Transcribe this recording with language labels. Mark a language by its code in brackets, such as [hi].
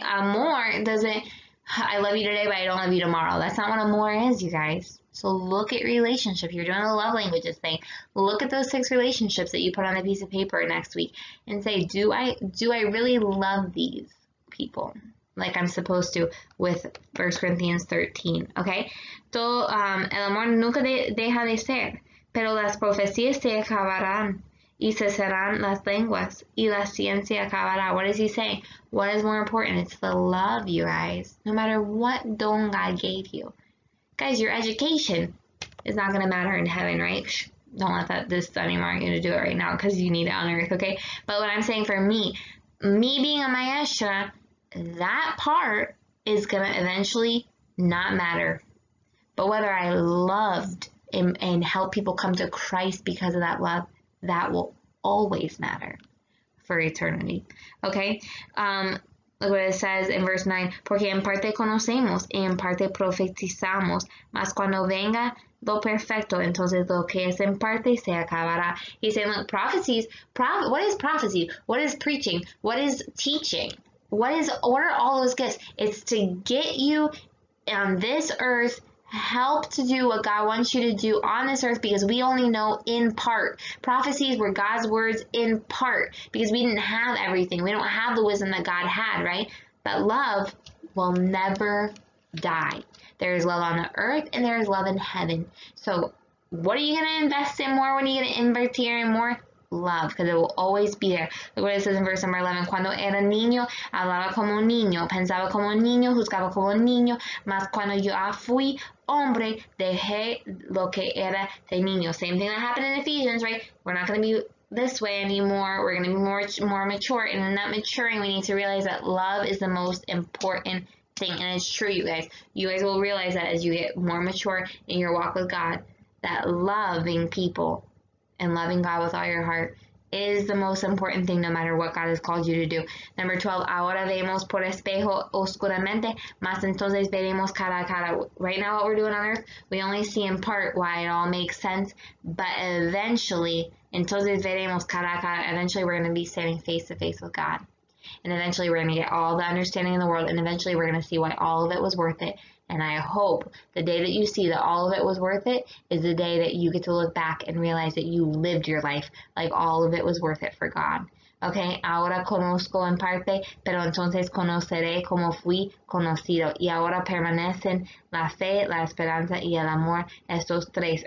[en] Amor doesn't, I love you today, but I don't love you tomorrow. That's not what amor is, you guys. So look at relationship. You're doing the love languages thing. Look at those six relationships that you put on a piece of paper next week and say, do I really love these people? like I'm supposed to with 1 Corinthians 13, okay? [es] Todo, el amor nunca deja de ser, pero las profecías se acabarán y cesarán las lenguas y la ciencia acabará. [en] What is he saying? What is more important? It's the love, you guys. No matter what don God gave you. Guys, your education is not going to matter in heaven, right? Shh. Don't let that this anymore. You're going to do it right now because you need it on earth, okay? But what I'm saying for me being a Maestra, that part is going to eventually not matter. But whether I loved and helped people come to Christ because of that love, that will always matter for eternity, okay? Look what it says in verse 9. [es] Porque en parte conocemos y en parte profetizamos, mas cuando venga lo perfecto, entonces lo que es en parte se acabará. [en] He's saying, look, prophecies, what is prophecy? What is preaching? What is teaching? What are all those gifts? It's to get you on this earth, help to do what God wants you to do on this earth, because we only know in part. Prophecies were God's words in part, because we didn't have everything. We don't have the wisdom that God had, right? But love will never die. There is love on the earth and there is love in heaven. So what are you going to invest in more? What are you going to invest here in more? Love, because it will always be there. Look what it says in verse number 11. [es] Cuando era niño, hablaba como niño, pensaba como niño, juzgaba como niño, mas cuando yo fui hombre, dejé lo que era de niño. [en] Same thing that happened in Ephesians, right? We're not going to be this way anymore. We're going to be more mature. And in that maturing, we need to realize that love is the most important thing. And it's true, you guys. You guys will realize that as you get more mature in your walk with God, that loving people and loving God with all your heart is the most important thing, no matter what God has called you to do. [es] Number 12, ahora vemos por espejo oscuramente, mas entonces veremos cara a cara. [en] Right now, what we're doing on earth, we only see in part why it all makes sense, but eventually, [es] entonces veremos cara a cara, [en] eventually we're going to be standing face to face with God. And eventually we're going to get all the understanding in the world, and eventually we're going to see why all of it was worth it. And I hope the day that you see that all of it was worth it is the day that you get to look back and realize that you lived your life like all of it was worth it for God. [es] Okay, ahora conozco en parte, pero entonces conoceré como fui conocido. Y ahora permanecen la fe, la esperanza y el amor, estos tres.